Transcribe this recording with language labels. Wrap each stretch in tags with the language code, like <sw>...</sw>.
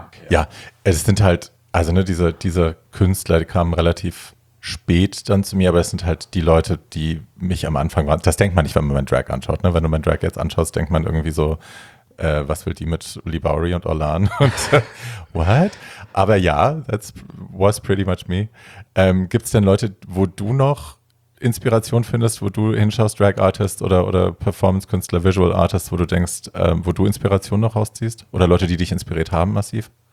<de>Ja, es sind halt... Also ne, diese Künstler, die kamen relativ spät dann zu mir, aber es sind halt die Leute, die mich am Anfang waren. Das denkt man nicht, wenn man meinen Drag anschaut. Ne? Wenn du meinen Drag jetzt anschaust, denkt man irgendwie so, was will die mit Lee Bowery und Orlan?</de> <en>Und what?</en> <de>Aber ja,</de> <en>that was pretty much me.</en> <de>Gibt es denn Leute, wo du noch Inspiration findest, wo du hinschaust, Drag Artist oder Performance Künstler, Visual Artist, wo du denkst, wo du Inspiration noch rausziehst? Oder Leute, die dich inspiriert haben massiv?</de>